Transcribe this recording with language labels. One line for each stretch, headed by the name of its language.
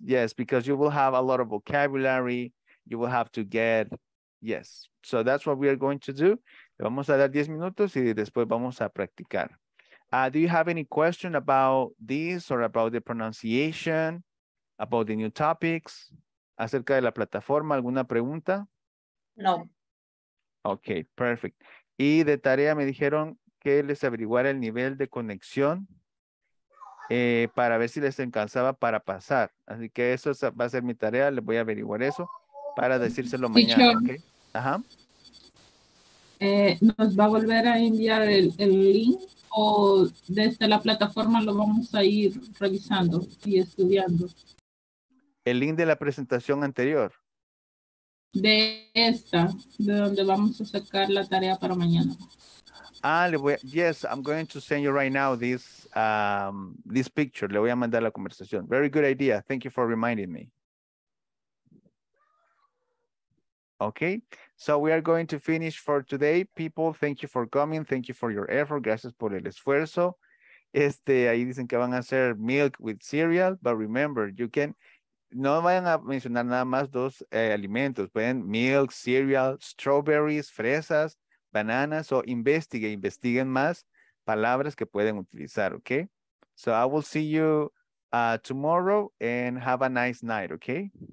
English: Yes, because you will have a lot of vocabulary. You will have to get. Yes. So that's what we are going to do.
Spanish: Le vamos a dar 10 minutos y después vamos a practicar.
English: Do you have any question about this or about the pronunciation, about the new topics,
Spanish: acerca de la plataforma? ¿Alguna pregunta?
English: No. Okay, perfect.
Spanish: Y de tarea me dijeron que les averiguara el nivel de conexión para ver si les alcanzaba para pasar. Así que eso va a ser mi tarea. Les voy a averiguar eso para decírselo mañana. Sí, okay. Ajá. ¿Nos va a volver a enviar el link o desde la plataforma lo vamos a ir revisando y estudiando? ¿El link de la presentación anterior? De esta, de donde vamos a sacar la tarea para mañana.
English: Ah, yes, I'm going to send you right now this picture.
Spanish: Le voy a mandar la conversación.
English: Very good idea. Thank you for reminding me. Okay, so we are going to finish for today. People, thank you for coming. Thank you for your effort.
Spanish: Gracias por el esfuerzo. Ahí dicen que van a hacer milk with cereal.
English: But remember, you can,
Spanish: no vayan a mencionar nada más dos alimentos.
English: Pueden milk, cereal, strawberries, fresas, bananas.
Spanish: So investiguen más palabras que pueden utilizar, okay?
English: So I will see you tomorrow and have a nice night, okay?